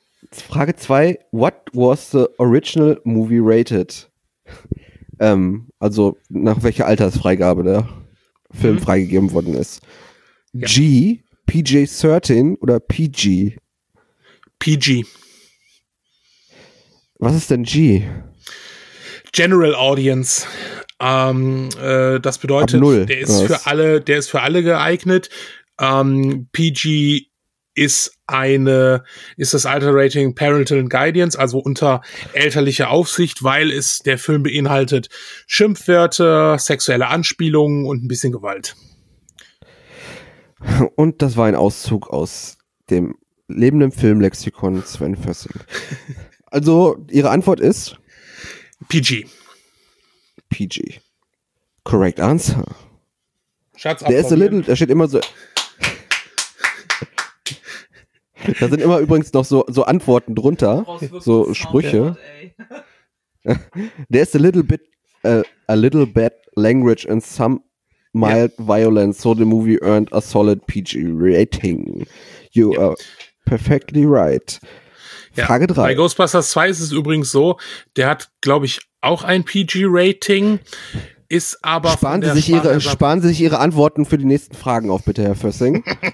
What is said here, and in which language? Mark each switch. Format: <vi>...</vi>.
<de>Frage 2,</de> <en>what was the original movie rated?</en> <de>Also nach welcher Altersfreigabe der Film freigegeben worden ist. Ja. G, PG-13 oder PG? PG. Was ist denn G?</de> <en>General Audience.</en> <de>Das bedeutet, der ist für alle geeignet. PG ist das Alter Rating Parental Guidance, also unter elterlicher Aufsicht, weil es der Film beinhaltet Schimpfwörter, sexuelle Anspielungen und ein bisschen Gewalt. Und das war ein Auszug aus dem lebenden Filmlexikon Sven Fössing. Also, Ihre Antwort ist? PG.</de> <en>PG. Correct answer.</en> <de>Schatz, der ist</de> <en>a little,</en> <de>da steht immer so. Da sind immer übrigens noch so Antworten drunter, so Sprüche.</de> <en>There is a little bit language and some mild violence, so the movie earned a solid PG rating. You are perfectly right.</en> <de>Ja. Frage 3. Bei Ghostbusters 2 ist es übrigens so, der hat, glaube ich, auch ein PG Rating. Ist aber. Sparen Sie sich Ihre Antworten für die nächsten Fragen auf, bitte, Herr Fössing.</de>